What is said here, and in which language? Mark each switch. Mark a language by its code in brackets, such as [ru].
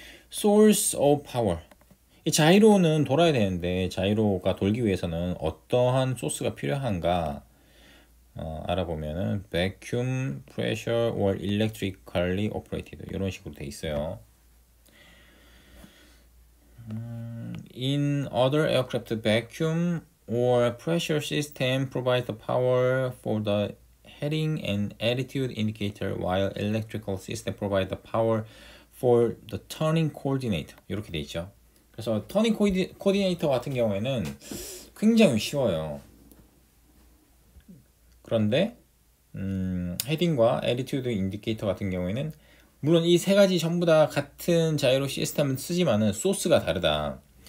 [en] Source of Power. [ko] 이 자이로는 돌아야 되는데 자이로가 돌기 위해서는 어떠한 소스가 필요한가 알아보면은 [en] Vacuum, Pressure, or Electrically Operated [ko] 이런 식으로 돼 있어요. [en] In other aircraft, vacuum or pressure system provides the power for the heading and attitude indicator, while electrical system provides the power for the turning coordinator. [ko] 이렇게 돼 있죠. 그래서 turning coordinator 같은 경우에는 굉장히 쉬워요. 그런데 heading과 attitude indicator 같은 경우에는 물론 이 세 가지 전부 다 같은 자이로 시스템을 쓰지만은 소스가 다르다.